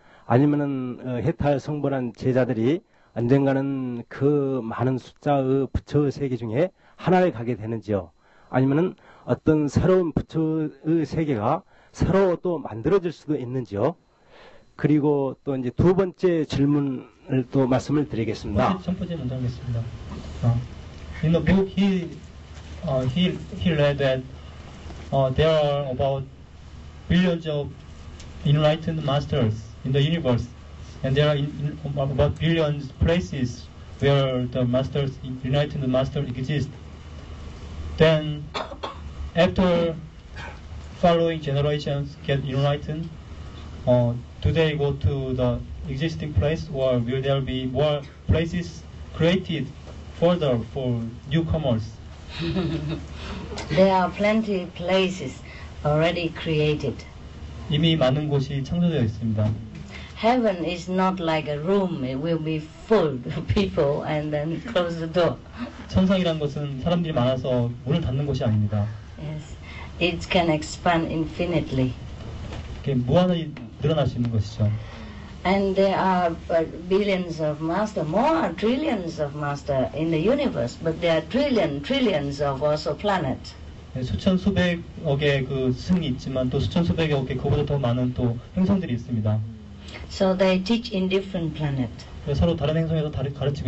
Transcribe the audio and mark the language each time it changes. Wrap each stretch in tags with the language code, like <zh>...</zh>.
<ko>아니면은 해탈 성불한 제자들이 언젠가는 그 많은 숫자의 부처 세계 중에 하나를 가게 되는지요? 아니면은 어떤 새로운 부처의 세계가 새로 또 만들어질 수도 있는지요? 그리고 또 이제 두 번째 질문을 또 말씀을 드리겠습니다. 첫 번째 먼저 하겠습니다.</ko> <en>In the book he read that there are about billions of enlightened masters in the universe, and there are about billions places where the masters, enlightened masters exist. Then, after following generations get enlightened, do they go to the existing place, or will there be more places created further for newcomers? There are plenty of places already created.</en> <ko>이미 많은 곳이 창조되어 있습니다.</ko> <en>Heaven is not like a room. It will be full of people and then close the door.</en> <ko>천상이란 것은 사람들이 많아서 문을 닫는 곳이 아닙니다.</ko> <en>Yes, it can expand infinitely.</en> <ko>이렇게 무한히 늘어날 수 있는 것이죠.</ko> <en>And there are billions of masters, more trillions of masters in the universe, but there are trillions of also planets.</en> <ko>수천 수백억의 그 승이 있지만 또 수천 수백억의 그보다 더 많은 또 행성들이 있습니다.</ko> <en>So they teach in different planet.</en> <ko>서로 다른 행성에서 가르치고</ko>